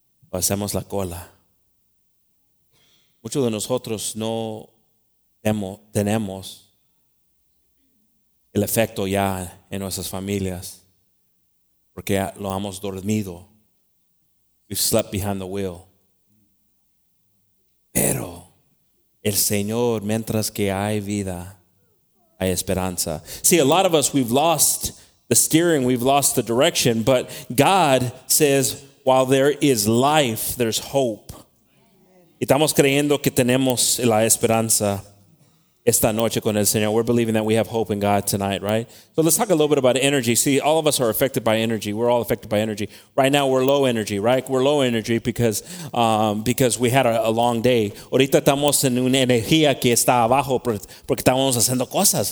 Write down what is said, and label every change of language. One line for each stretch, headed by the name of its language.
Spanish: Lo hacemos la cola. Muchos de nosotros no tenemos el efecto ya en nuestras familias porque lo hemos dormido.
English: We've slept behind the wheel.
Spanish: Pero el Señor, mientras que hay vida, hay esperanza.
English: See, a lot of us, we've lost the steering, we've lost the direction, but God says, while there is life, there's hope.
Spanish: Y estamos creyendo que tenemos la esperanza esta noche con el Señor.
English: We're believing that we have hope in God tonight, right? So let's talk a little bit about energy. See, all of us are affected by energy. We're all affected by energy. Right now, we're low energy, right? We're low energy because we had a long day.
Spanish: Ahorita estamos en una energía que está abajo porque estamos haciendo cosas.